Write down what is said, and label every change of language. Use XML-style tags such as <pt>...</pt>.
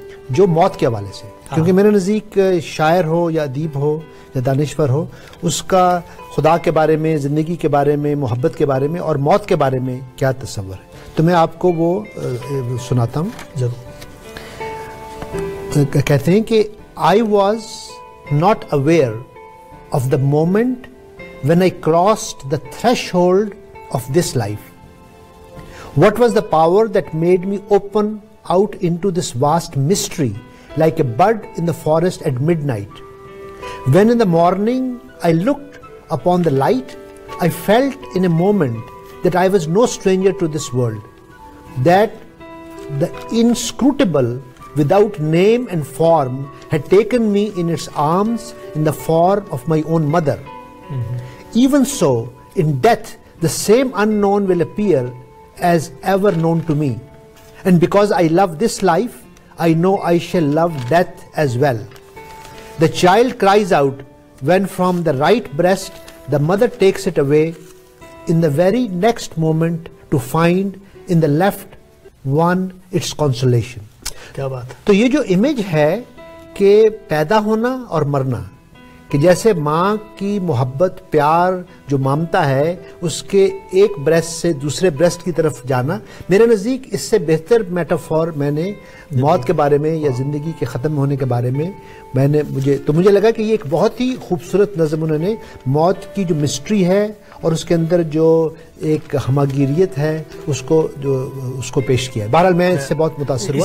<ur>جو موت کے حوالے سے، کیونکہ میرے نزدیک شاعر ہو یا ادیب ہو یا دانشور ہو، اس کا خدا کے بارے میں، زندگی کے بارے میں، محبت کے بارے میں اور موت کے بارے میں کیا تصور ہے۔ تو میں آپ کو وہ سناتا ہوں۔ کہتے ہیں کہ I was not aware of the moment when I crossed the تھریش hold of this life.</ur> <en>What was the power that made me open out into this vast mystery like a bud in the forest at midnight? When in the morning I looked upon the light, I felt in a moment that I was no stranger to this world, that the inscrutable without name and form had taken me in its arms in the form of my own mother. Even so, in death the same unknown will appear as ever known to me, and because I love this life, I know I shall love death as well. The child cries out when from the right breast the mother takes it away, in the very next moment to find in the left one its consolation.</en> <ur>Kya baat. To ye jo image hai ke paida hona aur marna, کہ جیسے ماں کی محبت، پیار، جو مامتا ہے، اس کے ایک بریسٹ سے دوسرے بریسٹ کی طرف جانا، میرے نزدیک اس سے بہتر میٹافور میں نے موت کے بارے میں یا زندگی کے ختم ہونے کے بارے میں میں نے مجھے تو مجھے لگا کہ یہ ایک بہت ہی خوبصورت نظم انہوں نے موت کی جو مسٹری ہے اور اس کے اندر جو ایک ہماگیریت ہے اس کو جو اس کو پیش کیا ہے۔ بہرحال میں اس سے بہت متاثر ہوا</ur>